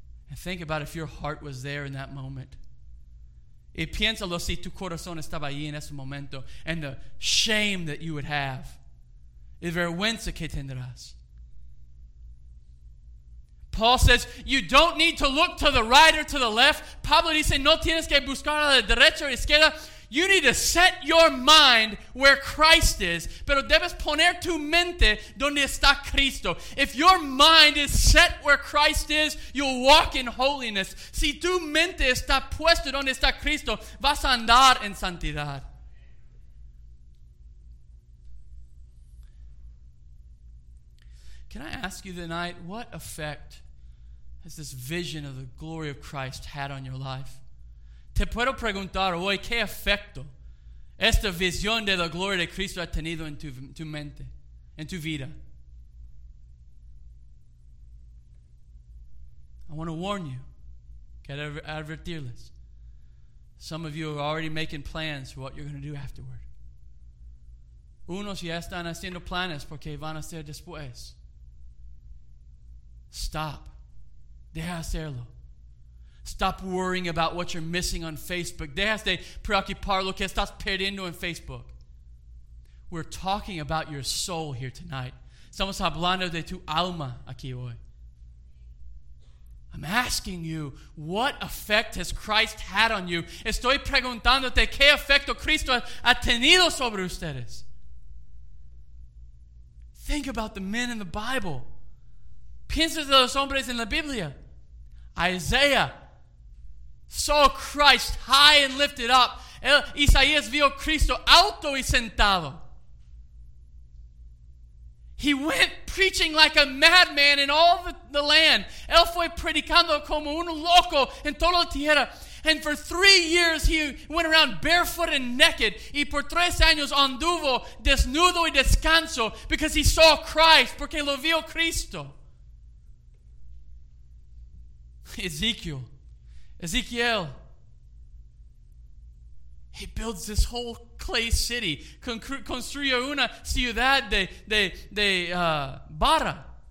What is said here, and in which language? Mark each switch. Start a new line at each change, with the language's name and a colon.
English: And think about if your heart was there in that moment.
Spanish: Y piénsalo si tu corazón estaba ahí en ese momento,
English: and the shame that you would have,
Spanish: y vergüenza que tendrás.
English: Paul says, you don't need to look to the right or to the left.
Spanish: Pablo dice, no tienes que buscar a la derecha o a la izquierda.
English: You need to set your mind where Christ is,
Spanish: pero debes poner tu mente donde está Cristo.
English: If your mind is set where Christ is, you'll walk in holiness.
Spanish: Si tu mente está puesta donde está Cristo, vas a andar en santidad.
English: Can I ask you tonight, what effect has this vision of the glory of Christ had on your life?
Spanish: Te puedo preguntar hoy, ¿qué efecto esta visión de la gloria de Cristo ha tenido en tu mente, en tu vida?
English: I want to warn you,
Spanish: quiero advertirles.
English: Some of you are already making plans for what you're going to do afterward.
Spanish: Unos ya están haciendo planes porque van a hacer después.
English: Stop.
Spanish: Deja hacerlo.
English: Stop worrying about what you're missing on Facebook.
Spanish: Dejas de preocupar lo que estás perdiendo en Facebook.
English: We're talking about your soul here tonight.
Spanish: Estamos hablando de tu alma aquí hoy.
English: I'm asking you, what effect has Christ had on you?
Spanish: Estoy preguntándote, ¿qué efecto Cristo ha tenido sobre ustedes?
English: Think about the men in the Bible.
Spanish: Piensa de los hombres en la Biblia.
English: Isaiah saw Christ high and lifted up.
Spanish: Isaías vio Cristo alto y sentado.
English: He went preaching like a madman in all the land.
Spanish: Él fue predicando como un loco en toda la tierra.
English: And for 3 years he went around barefoot and naked.
Spanish: Y por 3 años anduvo desnudo y descanso
English: because he saw Christ,
Spanish: porque lo vio Cristo.
English: Ezekiel, he builds this whole clay city,
Spanish: construye una ciudad de barra.